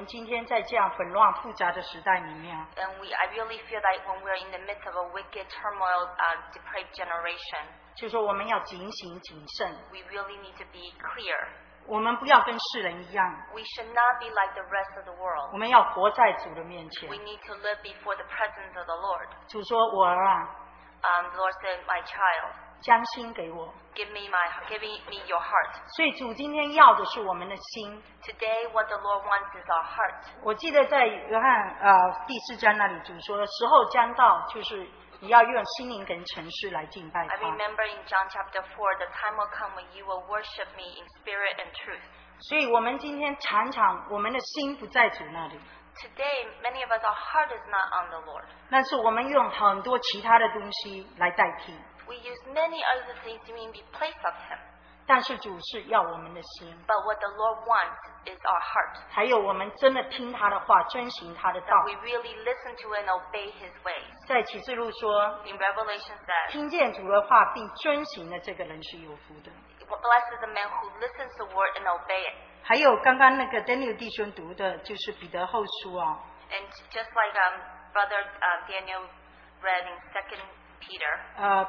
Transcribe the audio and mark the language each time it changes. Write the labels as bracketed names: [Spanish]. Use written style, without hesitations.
[Chinese] 所以我们在这个时候，我真的觉得说，我们今天在这样混乱复杂的时代里面。 [English] And I really feel like when we're in the midst of a wicked, turmoil, depraved generation. [Chinese] 就是说我们要警醒谨慎。 [English] We really need to be clear. [Chinese] 我们不要跟世人一样。 [English] We should not be like the rest of the world. [Chinese] 我们要活在主的面前。 [English] We need to live before the presence of the Lord. [Chinese] 主说我儿啊。 [English] Lord said, my child. [Chinese] 将心给我。 [English] Give me your heart. [Chinese] 所以主今天要的是我们的心。 [English] Today, what the Lord wants is our heart. [Chinese] 我记得在约翰, 第四章那里主说时候将到就是。你要用心灵跟诚实来敬拜他。 [English] I remember in John chapter 4, the time will come when you will worship me in spirit and truth. [Chinese] 所以我们今天常常我们的心不在主那里。 [English] Today, many of us, our heart is not on the Lord. [Chinese] 但是我们用很多其他的东西来代替。 [English] We use many other things to mean be placed of him. [Chinese] 但是主是要我们的心。 [English] But what the Lord wants is our heart. [Chinese] 还有我们真的听他的话, 遵循他的道。 [English] That we really listen to and obey his ways. [Chinese] 在启示录说, [English] in Revelation says, [Chinese] 听见主的话, 并遵循的这个人是有福的。 [English] Blessed is the man who listens to the word and obey it. [Chinese] 还有刚刚那个Daniel弟兄读的, 就是彼得后书哦。 [English] And just like Brother Daniel read in 2 Peter,